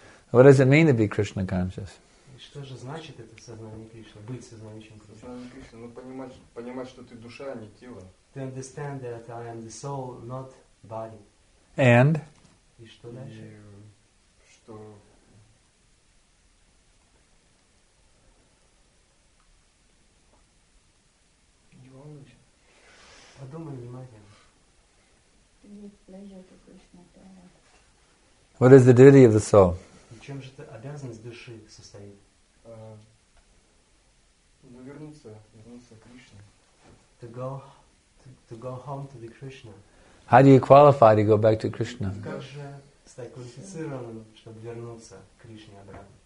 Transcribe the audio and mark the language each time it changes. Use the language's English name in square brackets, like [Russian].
[English] What does it mean to be Krishna conscious? [Russian] Что же значит это сознание Кришны? Быть сознанием Кришны. Сознание Кришны. Ну понимать, что ты душа, а не тело. [English] To understand that I am the soul, not body. And. [Russian] И что дальше? Что. Подумай внимательно. Не пляжет, конечно, понятно. [English] What is the duty of the soul? [Russian] В чем же обязанность души состоит? Вернуться к Кришне. [English] To go home to the Krishna. How do you qualify to go back to Krishna? [Russian] Как же стать квалифицированным, чтобы вернуться к Кришне обратно?